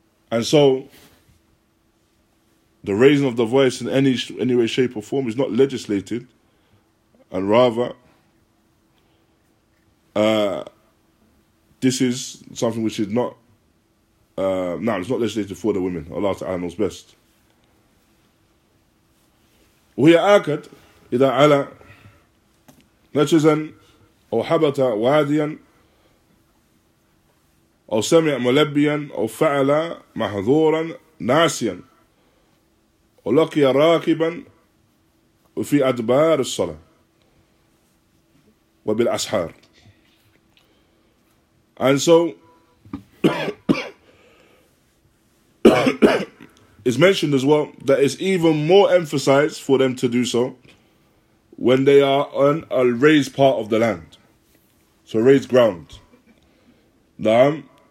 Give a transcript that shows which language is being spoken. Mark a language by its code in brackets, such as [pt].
[en] And so, the raising of the voice in any way, shape, or form is not legislated, and rather, this is something which is not, it's not legislated for the women. Allah Ta'ala knows best. [ar] وهي آكد إذا على نجزا أو حبت واديا أو سمع ملبيا أو فعل محظورا ناسيا أو لقي راكبا وفي أدبار الصلاة وبالأسحار. [en] And so it's mentioned as well that it's even more emphasized for them to do so when they are on a raised part of the land, so raised ground. Naam.